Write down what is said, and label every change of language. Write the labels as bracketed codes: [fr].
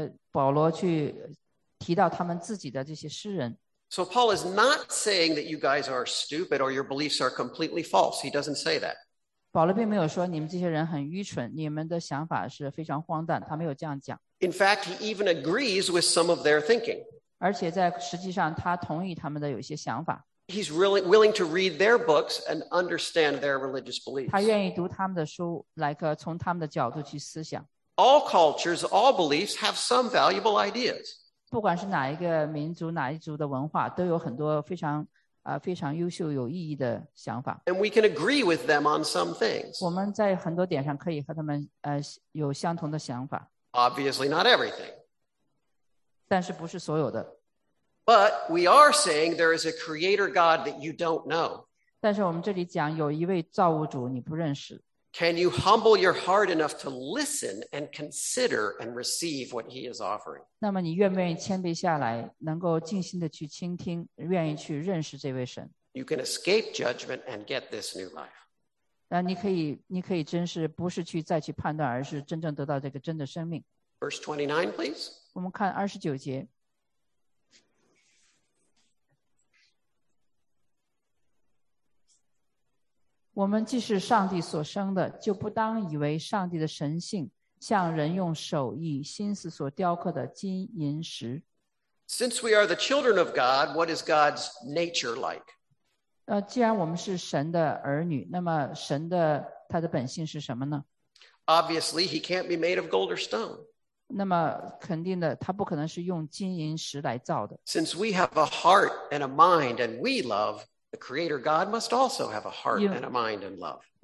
[zh] 保罗去提到他们自己的这些诗人。 [en] So Paul is not saying that you guys are stupid or your beliefs are completely false. He doesn't say that. [zh] 保罗并没有说你们这些人很愚蠢，你们的想法是非常荒诞，他没有这样讲。 [en] In fact, he even agrees with some of their thinking. [zh] 而且在实际上他同意他们的有一些想法。 [en] He's really willing to read their books and understand their religious beliefs. [zh] 他愿意读他们的书，来个从他们的角度去思想。 [en] All cultures, all beliefs have some valuable ideas. [zh] 不管是哪一个民族，哪一族的文化，都有很多非常非常优秀有意义的想法。 [en] And we can agree with them on some things. [zh] 我们在很多点上可以和他们有相同的想法。 [en] Obviously not everything. [zh] 但是不是所有的。 [en] But we are saying there is a creator God that you don't know. [zh] 但是我们这里讲有一位造物主你不认识。 [en] Can you humble your heart enough to listen and consider and receive what he is offering? [zh] 那么你愿不愿意谦卑下来，能够静心的去倾听，愿意去认识这位神。 [en] You can escape judgment and get this new life. [zh] 那你可以真是不是去再去判断，而是真正得到这个真的生命。 [en] Verse 29, please. [zh] 我们看二十九节。我们既是上帝所生的，就不当以为上帝的神性像人用手艺心思所雕刻的金银石。 [en] Since we are the children of God, what is God's nature like? [zh] 既然我们是神的儿女，那么神的他的本性是什么呢？ [en] Obviously, he can't be made of gold or stone. [zh] 那么肯定的，他不可能是用金银石来造的。 [en] Since we have a heart and a mind and we love, the Creator God must also have a heart and a mind and love.